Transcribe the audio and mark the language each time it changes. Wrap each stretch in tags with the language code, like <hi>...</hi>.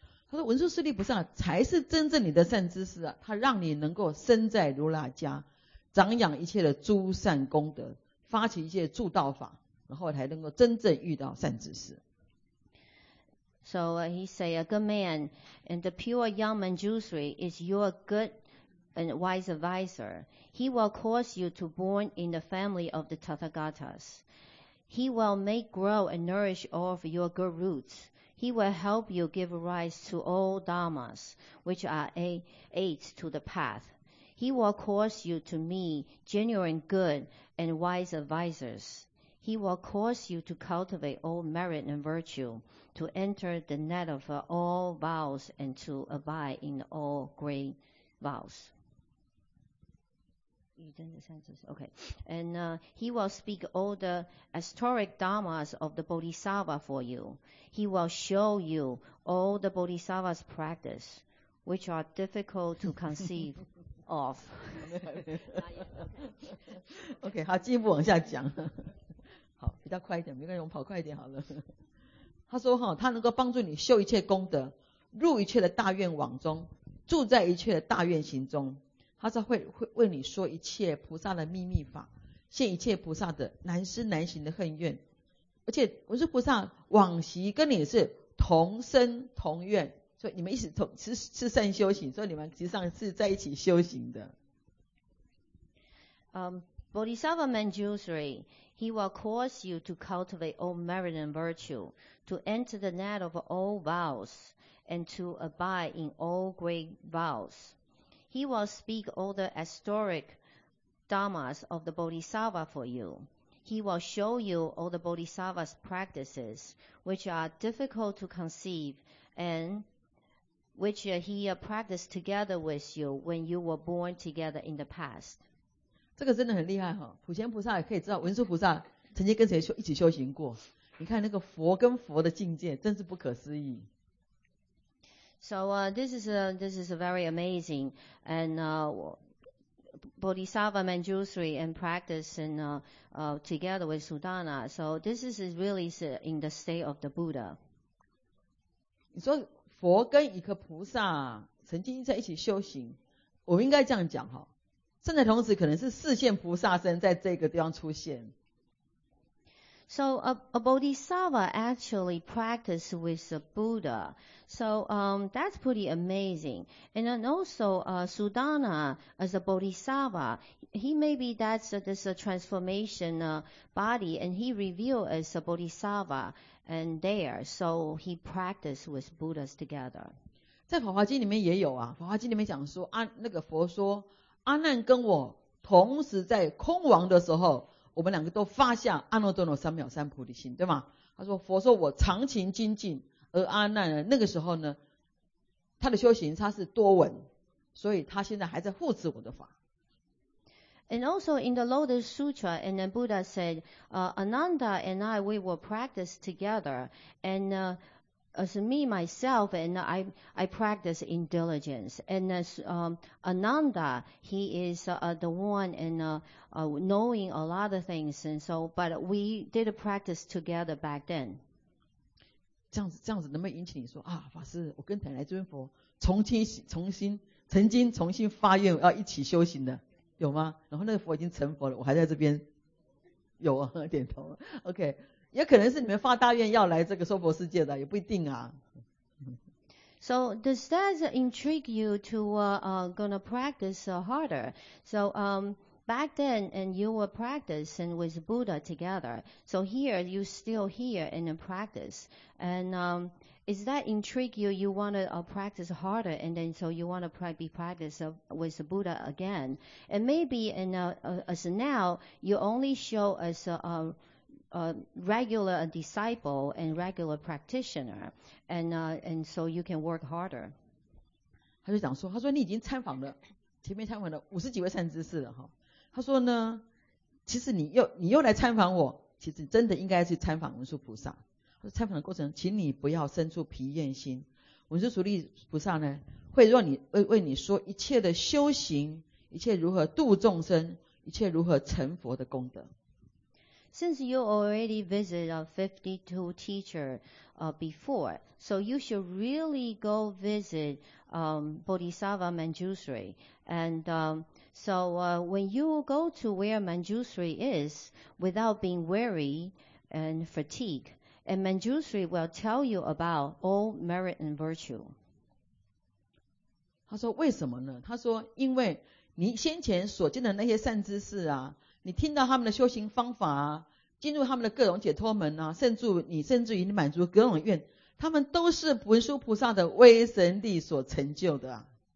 <zh>他说文殊师利菩萨才是真正你的善知识啊，他让你能够身在如来家，长养一切的诸善功德，发起一切助道法，然后才能够真正遇到善知识。</zh> <en>So he say a good man and the pure young Manjusri is your good and wise advisor. He will cause you to born in the family of the Tathagatas. He will make grow and nourish all of your good roots. He will help you give rise to all dharmas, which are aids to the path. He will cause you to meet genuine good and wise advisors. He will cause you to cultivate all merit and virtue, to enter the net of all vows and to abide in all great vows. Okay. And he will speak all the historic dharmas of the bodhisattva for you. He will show you all the Bodhisattva's practice, which are difficult to conceive of.</en> <zh>OK, 好，进一步往下讲。好，比较快一点，没关系，我们跑快一点好了。他说，他能够帮助你修一切功德，入一切的大愿网中，住在一切的大愿行中。他说会为你说一切菩萨的秘密法，现一切菩萨的难思难行的恨怨。而且文殊菩萨往昔跟你是同生同愿，所以你们一起同吃善修行，所以你们实际上是在一起修行的。</zh> <en>Bodhisattva Manjusri, he will cause you to cultivate all merit and virtue, to enter the net of all vows, and to abide in all great vows. He will speak all the historic dharmas of the Bodhisattva for you. He will show you all the Bodhisattva's practices, which are difficult to conceive, and which he practiced together with you when you were born together in the past.</en> <zh>这个真的很厉害哈！普贤菩萨也可以知道文殊菩萨曾经跟谁一起修行过。你看那个佛跟佛的境界，真是不可思议。</zh> <en>So this is a very amazing and Bodhisattva Manjushri and practice in together with Sudana. So this is really in the state of the Buddha.</en> <zh>你说佛跟一个菩萨曾经在一起修行，我应该这样讲哈，圣者同时可能是四现菩萨身在这个地方出现。</zh> <en>So a Bodhisattva actually practiced with the Buddha. So that's pretty amazing. And then also Sudana as a Bodhisattva, he maybe that's this transformation body, and he revealed as a Bodhisattva and there. So he practiced with Buddhas together.</en> <zh>在《法华经》里面也有啊，《法华经》里面讲说，那个佛说，阿难跟我同时在空王的时候，我们两个都发下阿耨多罗三藐三菩提心，对吗？他说，佛说我常勤精进，而阿难那个时候呢，他的修行他是多闻，所以他现在还在护持我的法。</zh> <en>And also in the Lotus Sutra, and then Buddha said, Ananda and I, we will practice together, and. As me, myself, and I practice in diligence. And as Ananda, he is the one and knowing a lot of things. And so, but we did a practice together back then.</en> <zh>这样子能不能引起你说啊，法师，我跟坦来尊佛曾经重新发愿要一起修行的，有吗？然后那个佛已经成佛了，我还在这边，有啊，点头。</zh> <en>OK。</en> <zh>也可能是你们发大愿要来这个娑婆世界的，也不一定啊。</zh> <en>So does that intrigue you to gonna practice harder? So back then, and you were practicing with Buddha together. So here, you still here and in practice. And is that intrigue you? You want to practice harder, and then so you want to be practice with Buddha again. And maybe and as now, you only show us. Regular disciple and regular practitioner, and so you can work harder.</en> <zh>他就讲说，他说你已经参访了前面参访了五十几位善知识了哈。他说呢，其实你又来参访我，其实真的应该去参访文殊菩萨。他说参访的过程，请你不要生出疲厌心。文殊菩萨呢，会让你为你说一切的修行，一切如何度众生，一切如何成佛的功德。</zh> <en>Since you already visited 52 teacher before, so you should really go visit Bodhisattva Manjushri. And when you go to where Manjushri is without being weary and fatigue, and Manjushri will tell you about all merit and virtue.</en> <zh>他说为什么呢？他说因为你先前所见的那些善知识啊，你听到他们的修行方法啊，进入他们的各种解脱门啊，甚至于你满足各种愿，他们都是文殊菩萨的威神力所成就的啊。</zh>